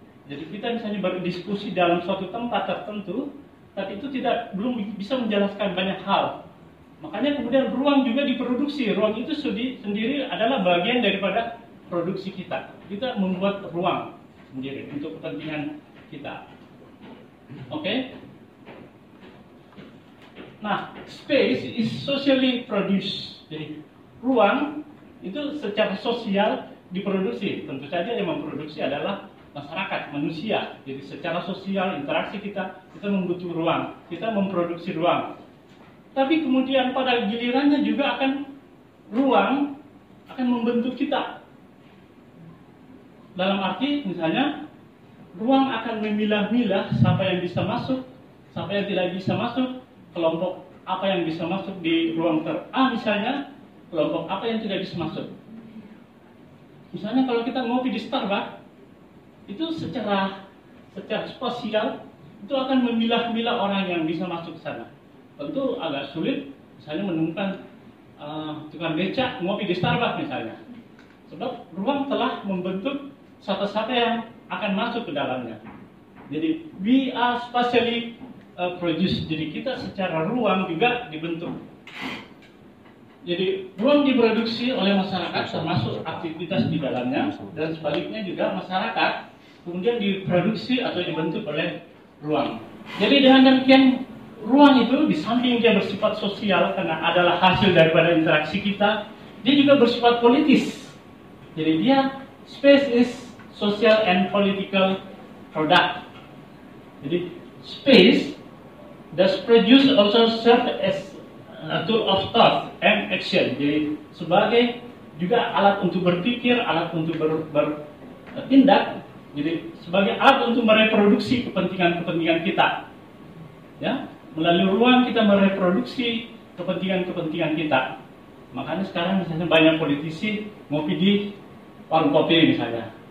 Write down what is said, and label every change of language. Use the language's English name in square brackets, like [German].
[Indonesian] Jadi kita misalnya berdiskusi dalam suatu tempat tertentu, tapi itu tidak belum bisa menjelaskan banyak hal. Makanya kemudian ruang juga diproduksi. Ruang itu sendiri adalah bagian daripada produksi kita. Kita membuat ruang sendiri untuk kepentingan kita. Oke? Okay? [English] Nah, space is socially produced. [Indonesian] Jadi, ruang itu secara sosial diproduksi. Tentu saja yang memproduksi adalah masyarakat, manusia. Jadi secara sosial, interaksi kita membutuhkan ruang. Kita memproduksi ruang. Tapi kemudian pada gilirannya juga akan ruang akan membentuk kita. Dalam arti misalnya ruang akan memilah-milah siapa yang bisa masuk, siapa yang tidak bisa masuk, kelompok apa yang bisa masuk di ruang A misalnya, kelompok apa yang tidak bisa masuk. Misalnya kalau kita ngopi di Starbucks, itu secara spesial itu akan memilah-milah orang yang bisa masuk ke sana. Tentu agak sulit misalnya menemukan tukang becak ngopi di Starbucks misalnya. Sebab ruang telah membentuk satu-satu yang akan masuk ke dalamnya. [English] Jadi we are spatially produced. [Indonesian] Jadi kita secara ruang juga dibentuk. Jadi ruang diproduksi oleh masyarakat termasuk aktivitas di dalamnya. Dan sebaliknya juga masyarakat kemudian diproduksi atau dibentuk oleh ruang. Jadi dengan demikian ruang itu di samping dia bersifat sosial karena adalah hasil daripada interaksi kita, dia juga bersifat politis. Jadi dia [English] space is social and political product. Jadi space does produce also serve as a tool of thought and action. [Indonesian] Jadi sebagai juga alat untuk berpikir, alat untuk bertindak. Jadi sebagai alat untuk mereproduksi kepentingan-kepentingan kita. Ya. Melalui ruang kita mereproduksi kepentingan-kepentingan kita. Makanya sekarang misalnya banyak politisi ngopi di warung kopi misalnya.